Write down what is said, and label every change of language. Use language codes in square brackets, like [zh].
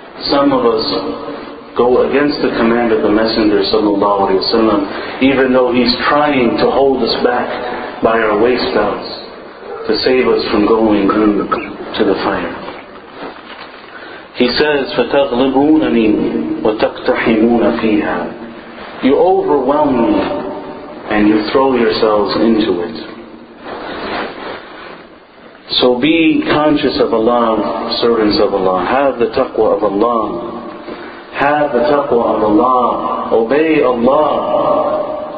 [en] Some of us go against the command of the Messenger sallallahu alaihi wasallam, even though he's trying to hold us back by our waist belts to save us from going to the fire. He says, [ar] فَتَغْلِبُونَنِي وَتَقْتَحِمُونَ فِيهَا. [en] You overwhelm me and you throw yourselves into it. So be conscious of Allah, servants of Allah. Have the taqwa of Allah. Have the taqwa of Allah. Obey Allah.